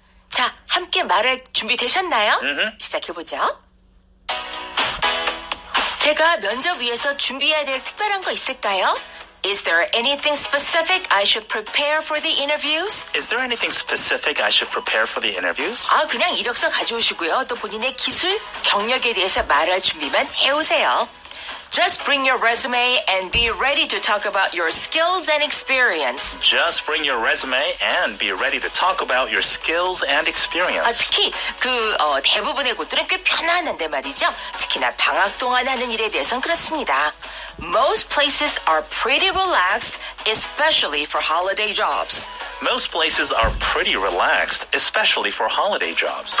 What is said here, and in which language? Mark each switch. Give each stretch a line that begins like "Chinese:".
Korean: 자, 함께 말할 준비 되셨나요? Mm-hmm. 시작해보죠. 제가 면접 위해서 준비해야 될 특별한 거 있을까요?
English: Is there anything specific I should prepare for the interviews? Is there anything specific I should prepare for the interviews?
Korean: 아, 그냥 이력서 가져오시고요. 또 본인의 기술, 경력에 대해서 말할 준비만 해오세요.
English: Just bring your resume and be ready to talk about your skills and experience. Just bring your resume and be ready to talk about your skills and experience.
Korean: 아, 특히 그 대부분의 곳들은 꽤 편안한데 말이죠. 특히나 방학 동안 하는 일에 대해서는 그렇습니다.
English: Most places are pretty relaxed, especially for holiday jobs. Most places are pretty relaxed, especially for holiday jobs.